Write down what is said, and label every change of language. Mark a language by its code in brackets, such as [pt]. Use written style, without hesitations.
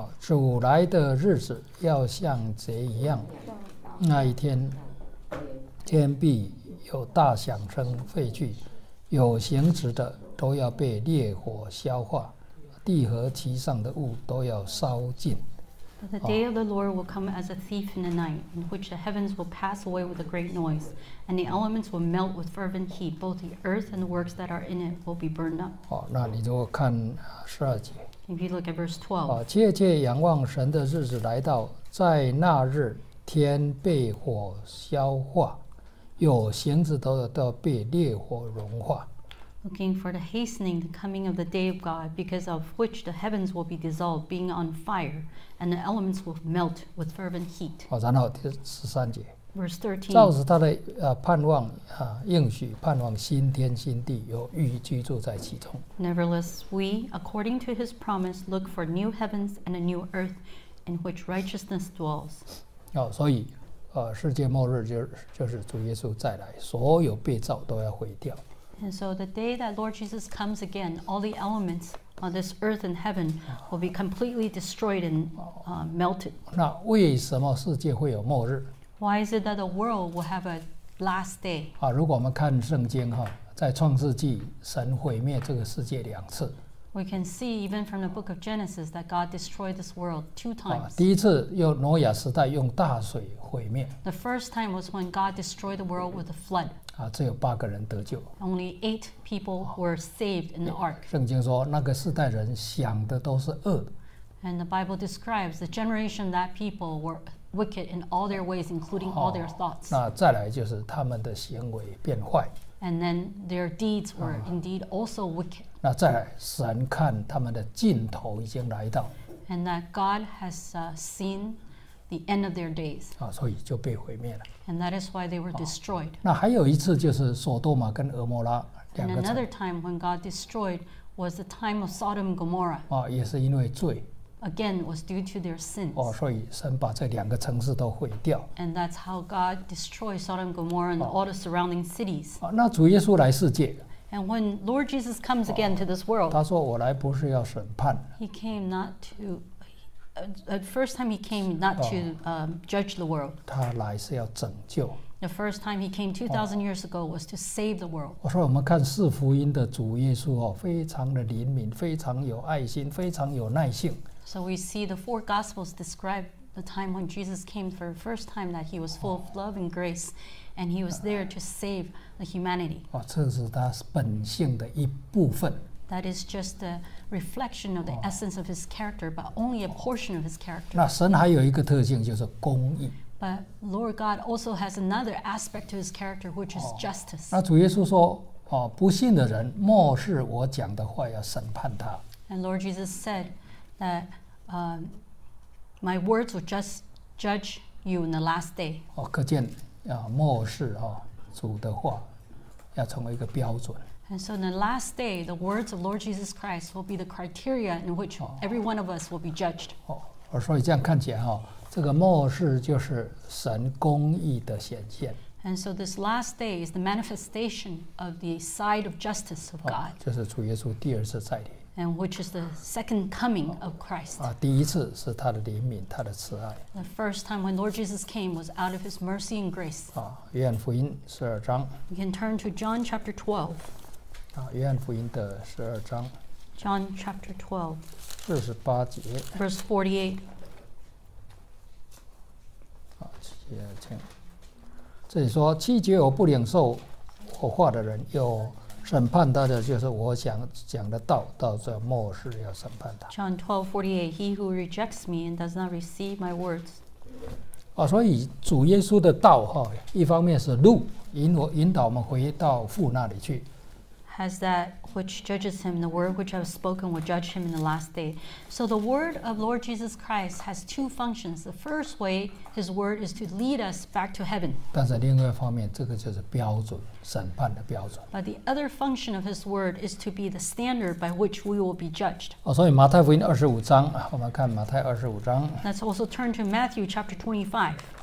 [zh] 主来的日子要像贼一样，那一天天必有大响声废去，有形质的都要被烈火消化。地和其上的物都要烧尽。 [en] But the day of the Lord will come as a thief in the night, in which the heavens will pass away with a great noise, and the elements will melt with fervent heat. Both the earth and the works that are in it will be burned up. [zh] 那你如果看十二节。 [en] If you look at verse 12. [zh] 切切仰望神的日子来到，在那日天被火消化，有形质的都要被烈火融化。 [en] Looking for the hastening the coming of the day of God, because of which the heavens will be dissolved, being on fire, and the elements will melt with fervent heat. [zh] 然后第十三节。 [en] Verse 13. [zh] 照着他的盼望应许，盼望新天新地，有预居住在其中。 [en] Nevertheless, we, according to his promise, look for new heavens and a new earth, in which righteousness dwells. [zh] 所以世界末日就是主耶稣再来，所有被造都要毁掉。 [en] And so the day that Lord Jesus comes again, all the elements on this earth and heaven will be completely destroyed and melted. [zh] 那为什么世界会有末日？ [en] Why is it that the world will have a last day? [zh] 如果我们看圣经，在创世纪神毁灭这个世界两次。 [en] We can see even from the book of Genesis that God destroyed this world two times. [zh] 第一次用挪亚时代用大水毁灭。 [en] The first time was when God destroyed the world with a flood. [zh] 啊，只有八个人得救。 [en] Only eight people were saved in the ark. [zh] 圣经说那个世代人想的都是恶。 [en] And the Bible describes the generation that people were wicked in all their ways, including all their thoughts. [zh] 那再来就是他们的行为变坏。 [en] And then their deeds were indeed also wicked. [zh] 那再来，神看他们的尽头已经来到。 [en] And that God has seen the end of their days. [zh] 啊，所以就被毁灭了。 [en] And that is why they were destroyed. [zh] 那还有一次就是索多玛跟俄摩拉两个。 [en] And another time when God destroyed was the time of Sodom and Gomorrah. [zh] 啊，也是因为罪。 [en] Again, was due to their sins. [zh] 哦，所以神把这两个城市都毁掉。 [en] And that's how God destroyed Sodom and Gomorrah and all the surrounding cities. [zh] 哦，那主耶稣来世界。 [en] And when Lord Jesus comes again to this world, [zh] 他说我来不是要审判。 [en] He came not to, the first time he came not to judge the world. [zh] 他来是要拯救。 [en] The first time he came 2,000 years ago was to save the world. [zh] 我说我们看四福音的主耶稣哦，非常的怜悯，非常有爱心，非常有耐性。 [en] So we see the four Gospels describe the time when Jesus came for the first time that he was full of love and grace and he was there to save the humanity. [zh] 哦，这是他本性的一部分。 [en] That is just a reflection of the essence of his character, but only a portion of his character. [zh] 那神还有一个特性就是公义。 [en] But Lord God also has another aspect to his character, which is justice. [zh] 那主耶稣说，哦，不信的人漠视我讲的话要审判他。 [en] And Lord Jesus said,that my words will just judge you in the last day. [zh] 哦，可见啊，末世啊，主的话要成为一个标准。 [en] And so in the last day, the words of Lord Jesus Christ will be the criteria in which every one of us will be judged. [zh] 哦，所以这样看起来哈，这个末世就是神公义的显现。 [en] And so this last day is the manifestation of the side of justice of God. [zh] 这是主耶稣第二次再临。 [en] And which is the second coming of Christ. [zh] 啊，第一次是他的怜悯，他的慈爱。 [en] The first time when Lord Jesus came was out of his mercy and grace. [zh] 啊，约翰福音十二章。 [en] You can turn to John chapter 12. [zh] 啊，约翰福音的十二章。 [en] John chapter 12. [zh] 四十八节。 [en] Verse 48. [zh] 啊，请。这里说，七节我不领受我话的人有。审判他的就是我想讲的道，到这末世要审判他。 [en] John 12:48, he who rejects me and does not receive my words. [zh] 啊，所以主耶稣的道哈，一方面是路，引导我们回到父那里去。 [en] Has that which judges him, the word which I have spoken will judge him in the last day. So the word of Lord Jesus Christ has two functions. The first way, his word is to lead us back to heaven. [zh] 但是另外一方面，这个就是标准，审判的标准。 [en] But the other function of his word is to be the standard by which we will be judged. [zh] 哦，所以马太福音二十五章，我们看马太二十五章。 [en] Let's also turn to Matthew chapter 25.